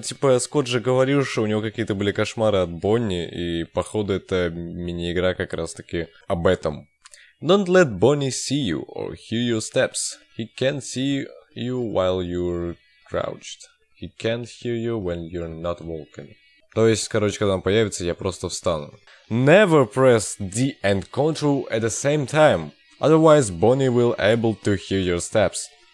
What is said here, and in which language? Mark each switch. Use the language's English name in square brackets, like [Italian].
[Russian] Типа, Скотт же говорил, что у него какие-то были кошмары от Бонни, и походу, это мини-игра как раз-таки об этом. [English] Don't let Bonnie see you or hear your steps. He can't see you while you're crouched. He can't hear you when you're not walking. [Russian] То есть, короче, когда он появится, я просто встану. [English] Never press D and Ctrl at the same time. Otherwise, Bonnie will able to hear your steps.